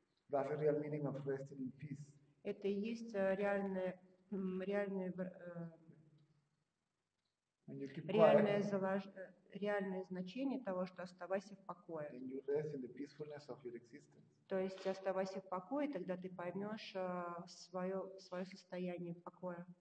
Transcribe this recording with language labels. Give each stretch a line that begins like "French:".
English: That's the real meaning of resting in peace.
Russian: Это и есть реальное значение того, что оставайся в покое.
English: Then you rest in the peacefulness of your existence.
Russian: То есть оставайся в покое, тогда ты поймешь свое состояние покоя.